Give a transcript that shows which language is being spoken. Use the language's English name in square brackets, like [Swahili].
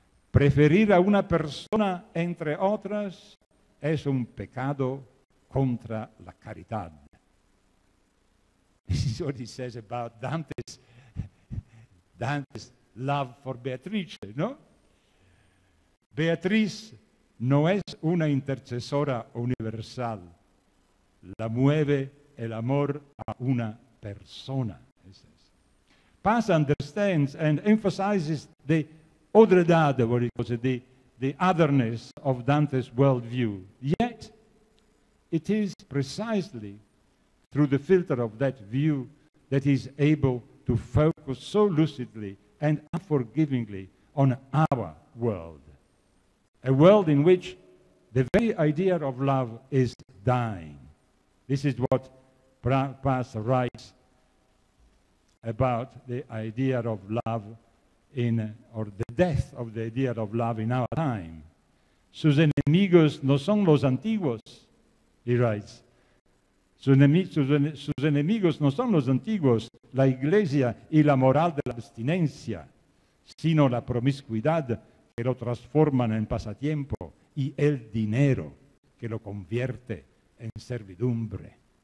[Spanish] Preferir a una persona entre otras es un pecado contra la caridad. [English] This is what he says about Dante's love for Beatrice, no? [Spanish] Beatrice no es una intercesora universal. La mueve el amor a una persona. [English] Paz understands and emphasizes the otredad, what he calls it, the otherness of Dante's worldview. Yet, it is precisely through the filter of that view that he is able to focus so lucidly and unforgivingly on our world, a world in which the very idea of love is dying. This is what Paz writes about the idea of love in, or the death of the idea of love in our time. [Spanish] Sus enemigos no son los antiguos, [English] he writes. [Spanish] Sus enemigos no son los antiguos, la iglesia y la moral de la abstinencia, sino la promiscuidad que lo transforman en pasatiempo y el dinero que lo convierte en servidumbre.